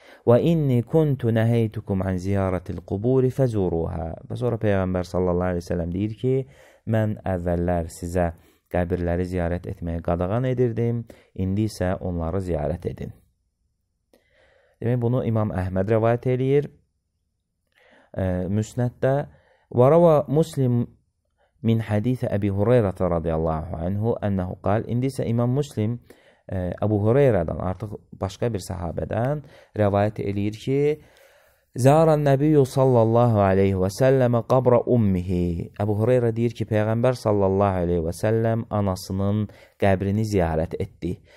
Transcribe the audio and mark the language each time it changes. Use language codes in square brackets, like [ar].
[ar] وَإِنِّي كُنْتُ نَهَيْتُكُمْ عَنْ زِيَارَةِ الْقُبُورِ فَزُورُوهَا. [az] Və sonra Peyğəmbər sallallahu aleyhi ve sellem deyir ki, mən əvvəllər sizə qəbirləri ziyarət etməyə qadağan edirdim, indi isə onları ziyarət edin. Demək, bunu İmam Əhməd rəvayət edir. Müsnəddə [ar] وَرَوَى مُسْلِمْ مِنْ حَدِيثِ أَبِي هُرَيْرَةَ رَضِيَ اللّٰهُ عَنْهُ أَنَّهُ قَال. [az] İndi isə İmam Müslim Əbu Hüreyrədən, artıq başqa bir sahabədən rəvayət edir ki, [ar] Zəara nəbiyyü sallallahu aleyhi və səlləmə qabra ummihi. [az] Əbu Hüreyrə deyir ki, Peyğəmbər sallallahu aleyhi və səlləm anasının qəbrini ziyarət etdi.